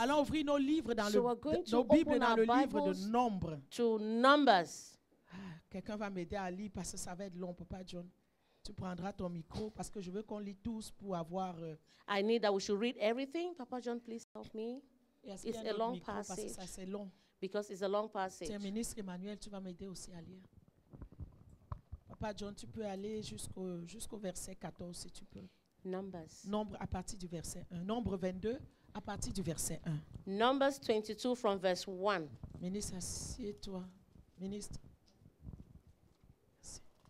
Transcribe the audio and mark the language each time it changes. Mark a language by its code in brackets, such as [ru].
[fr] Allons ouvrir nos livres dans le nos Bibles dans le livre de Nombres. [en] To Numbers. [fr] Quelqu'un va m'aider à lire parce que ça va être long, papa John. Tu prendras ton micro parce que je veux qu'on lit tous pour avoir [en] I need that we should read everything. Papa John, please help me. It's a long passage. [fr] Parce que ça c'est long. [en] Because it's a long passage. [fr] Tiens, ministre Emmanuel, tu vas m'aider aussi à lire. Papa John, tu peux aller jusqu'au verset 14 si tu peux. [en] Numbers. [fr] Nombre à partir du verset 1. Nombre 22 à partir du verset 1. [en] Numbers 22 from verse 1. [fr] Ministre, assieds-toi. Ministre. Merci.